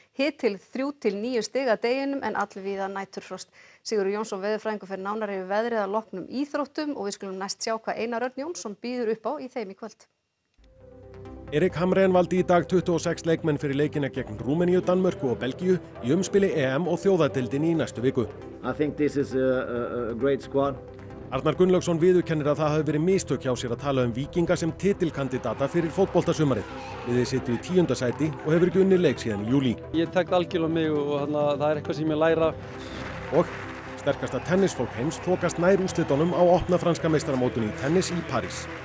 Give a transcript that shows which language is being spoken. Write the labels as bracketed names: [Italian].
[Icelandic] Hittil 3-9 stig að deginum en allvíða næturfrost. Sigurður Jónsson veðurfræðingur fer nánar yfir veðrið að loknum íþróttum og við skulum næst sjá hvað Einar Örn Jónsson býður upp á í þeim í kvöld. Erik Hamrén valdi í dag 26 leikmenn fyrir leikina gegn Rúmeníu, Danmörku og Belgíu í umspili EM og þjóðadeildin í næstu viku. [English] I think this is a great squad. [Icelandic] Arnar Gunnlaugsson viðurkennir að það hafi verið mistök hjá sér að tala Víkinga sem titilkandidata fyrir fótboltasumarið. Liðið situr í 10. sæti og hefur ekki unnið leik síðan í júlí. Ég tek algjörlega mig og þarna það er eitthvað sem ég læra. Og sterkasta tennisfólk heims þokast nær úrslitunum á opna franska meistaramótinu í tennis í París.